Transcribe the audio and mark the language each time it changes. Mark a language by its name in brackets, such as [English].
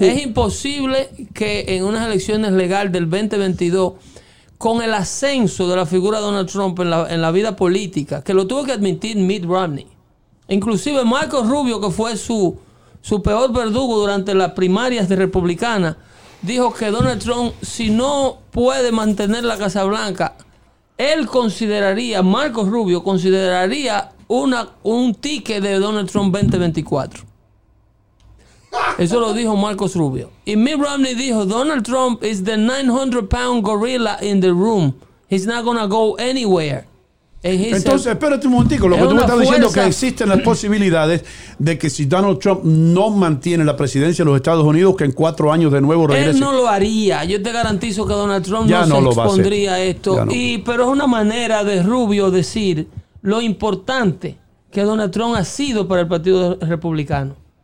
[Spanish] Es imposible que en unas elecciones legales del 2022, con el ascenso de la figura de Donald Trump en la vida política, que lo tuvo que admitir Mitt Romney, inclusive Marco Rubio, que fue su peor verdugo durante las primarias de republicana, dijo que Donald Trump, si no puede mantener la Casa Blanca, él consideraría, Marco Rubio consideraría un ticket de Donald Trump 2024. Eso lo dijo Marcos Rubio. Y Mitt Romney dijo, [English] Donald Trump is the 900-pound gorilla in the room. He's not going to go anywhere. [Spanish] Entonces, espérate un momentico. Lo que tú me estás diciendo es que existen las posibilidades de que si Donald Trump no mantiene la presidencia de los Estados Unidos, que en 4 años de nuevo regrese. Él no lo haría. Yo te garantizo que Donald Trump no se expondría a esto. No. Y, pero es una manera de Rubio decir lo importante que Donald Trump ha sido para el Partido Republicano.